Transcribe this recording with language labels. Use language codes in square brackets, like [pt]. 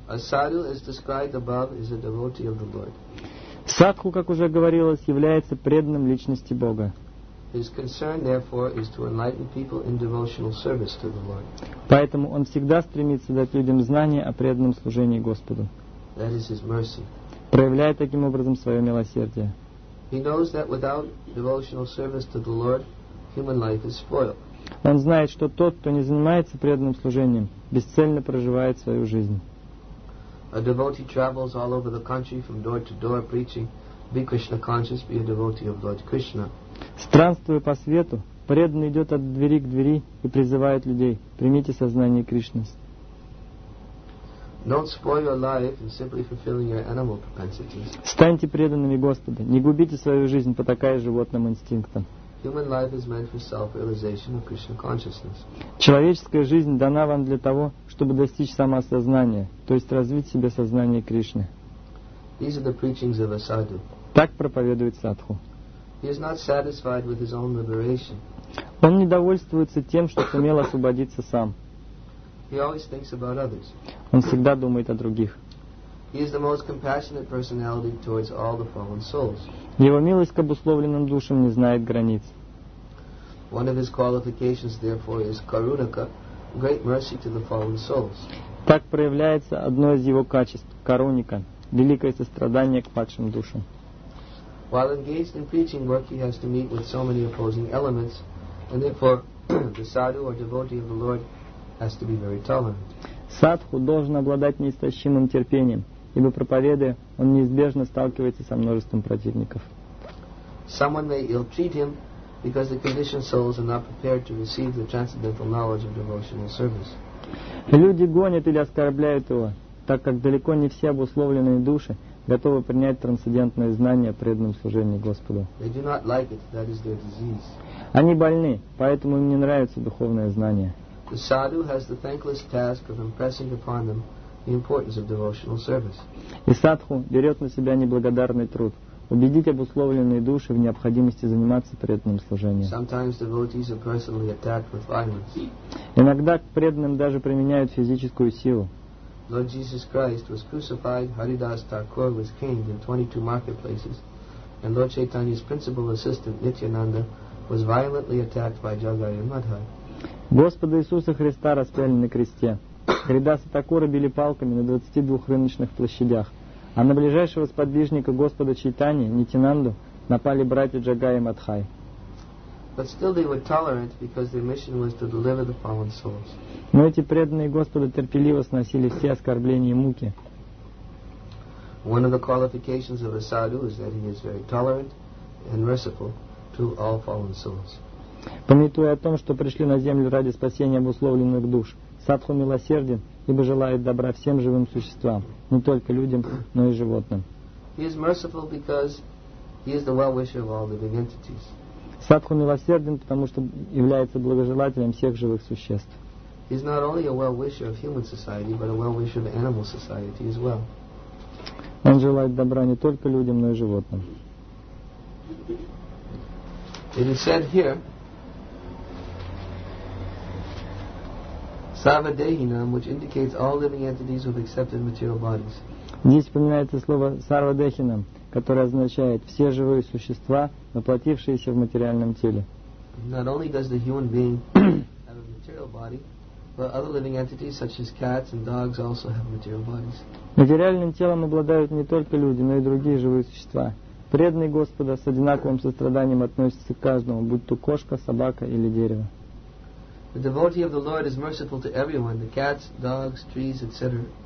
[ru] Комментарий. Садху, как уже говорилось, является преданным личности Бога. Поэтому он всегда стремится дать людям знания о преданном служении Господу. [en] That is his mercy. [ru] Проявляя таким образом свое милосердие. [en] He knows that without devotional service to the Lord, human life is spoiled. [ru] Он знает, что тот, кто не занимается преданным служением, бесцельно проживает свою жизнь. [en] A devotee travels all over the country from door to door preaching, be Krishna conscious, be a devotee of Lord Krishna. [ru] Странствуя по свету, преданный идет от двери к двери и призывает людей: примите сознание Кришны. [en] Don't spoil your life in simply fulfilling your animal propensities. [ru] Станьте преданными Господу, не губите свою жизнь, потакая животным инстинктам. [en] Human life is meant for self-realization of Krishna consciousness. [ru] Человеческая жизнь дана вам для того, чтобы достичь самосознания, то есть развить в себе сознание Кришны. [en] These are the preachings of a sadhu. [ru] Так проповедует садху. [en] He is not satisfied with his own liberation. [ru] Он не довольствуется тем, что сумел освободиться сам. [en] He always thinks about others. [ru] Он всегда думает о других. [en] He is the most compassionate personality towards all the fallen souls. [ru] Его милость к обусловленным душам не знает границ. [en] One of his qualifications, therefore, is Karunika, great mercy to the fallen souls. [ru] Так проявляется одно из его качеств – Каруника, великое сострадание к падшим душам. [en] While engaged in preaching work, he has to meet with so many opposing elements, and therefore, the sadhu or devotee of the Lord has to be very tolerant. [ru] Садху должен обладать неистощимым терпением, ибо проповедуя, он неизбежно сталкивается со множеством противников. [en] Someone may ill-treat him because the conditioned souls are not prepared to receive the transcendental knowledge of devotional service. [ru] Люди гонят или оскорбляют его, так как далеко не все обусловленные души готовы принять трансцендентное знание о преданном служении Господу. [en] They do not like it, that is their disease. [ru] Они больны, поэтому им не нравится духовное знание. [en] The sadhu has the thankless task of impressing upon them the importance of devotional service. [ru] И садху берет на себя неблагодарный труд убедить обусловленные души в необходимости заниматься преданным служением. [en] Sometimes devotees are personally attacked with violence. [ru] Иногда к преданным даже применяют физическую силу. [en] Lord Jesus Christ was crucified, Haridas Thakur was caned in 22 marketplaces, and Lord Chaitanya's principal assistant Nityananda was violently attacked by Jagai and Madhai. [ru] Господа Иисуса Христа распяли на кресте. Харидаса Такура били палками на 22 рыночных площадях. А на ближайшего сподвижника Господа Чайтани, Нитинанду, напали братья Джагай и Мадхай. Но эти преданные Господа терпеливо сносили все оскорбления и муки. [en] One of the qualifications of a sadhu is that he is very tolerant and merciful to all fallen souls. [ru] Помятуя о том, что пришли на землю ради спасения обусловленных душ, Садху милосерден, ибо желает добра всем живым существам, не только людям, но и животным. [en] He is merciful because he is the well-wisher of all living entities. [ru] Садху милосерден, потому что является благожелателем всех живых существ. [en] He is not only a well-wisher of human society, but a well-wisher of animal society as well. [ru] Он желает добра не только людям, но и животным. [en] It is said here, Sarvadehinam, which indicates all living entities who have accepted material bodies. [ru] Здесь упоминается слово Sarvadehinam, которое означает все живые существа, воплотившиеся в материальном теле. [en] Not only does the human being have a material body, but other living entities such as cats and dogs also have material bodies. [ru] Материальным телом обладают не только люди, но и другие живые существа. Преданный Господа с одинаковым состраданием относится к каждому, будь то кошка, собака или дерево. [en] The devotee of the Lord is merciful to everyone, the cats, dogs, trees, etc.